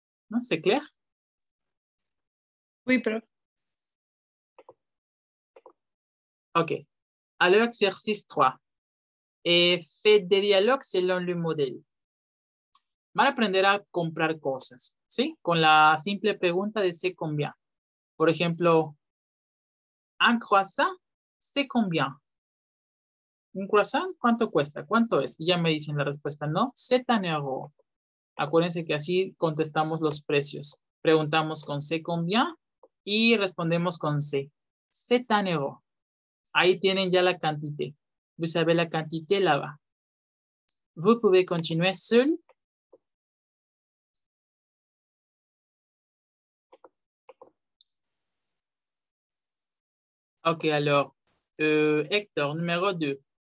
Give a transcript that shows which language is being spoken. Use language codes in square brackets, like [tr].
[fr] Non, c'est clair? Oui, prof. Ok. Alors, exercice 3. Fait de dialogue selon le modèle. [es] Van a aprender a comprar cosas, ¿sí? Con la simple pregunta de [fr] c'est combien. [es] Por ejemplo, un croissant, [fr] c'est combien? [es] ¿Un croissant cuánto cuesta? ¿Cuánto es? Y ya me dicen la respuesta, ¿no? [fr] C'est un euro. [es] Acuérdense que así contestamos los precios. Preguntamos con [fr] c'est combien [es] y respondemos con c. [fr] C'est un euro. [es] Ahí tienen ya la cantidad. [fr] Vous savez la quantité là-bas. Vous pouvez continuer seul. Ok, alors, Hector, numéro 2.